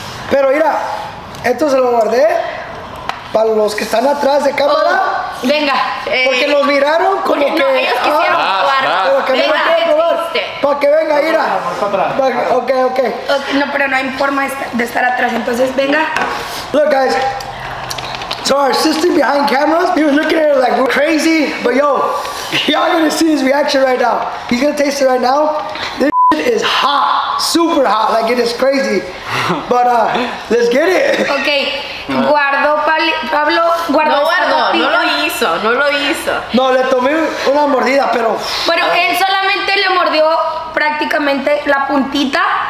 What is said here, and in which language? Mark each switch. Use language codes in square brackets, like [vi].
[es] Pero mira, esto se lo guardé para los que están atrás de cámara. Oh, venga. Porque los miraron como no, que... ellos quisieron probar. Venga, que probar. Para que venga, mira. Ok. No, pero no hay forma de estar atrás, entonces venga. [en] Look, guys. So our sister behind cameras, he was looking at her like, we're crazy. But yo, y'all gonna see his reaction right now. He's gonna taste it right now. This is hot, super hot, like it is crazy. But let's get it. [es] Okay, guardo Pablo, guardo. No guardo, no lo hizo, no lo hizo. No, le tomé una mordida, pero. Bueno, él solamente le mordió prácticamente la puntita.